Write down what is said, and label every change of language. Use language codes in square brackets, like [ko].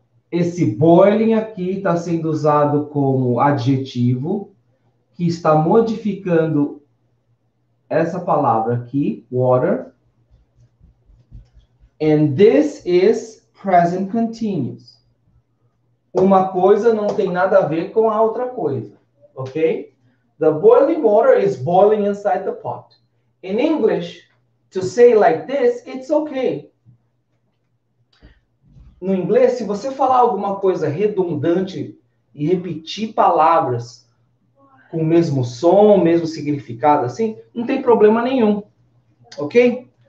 [pt] Esse boiling aqui está sendo usado como adjetivo, que está modificando essa palavra aqui, water. [en] And this is present continuous. [pt] Uma coisa não tem nada a ver com a outra coisa, ok? [en] The boiling water is boiling inside the pot. In English, to say like this, it's okay. [pt] No inglês, se você falar alguma coisa redundante e repetir palavras com o mesmo som, o mesmo significado, assim, não tem problema nenhum, ok?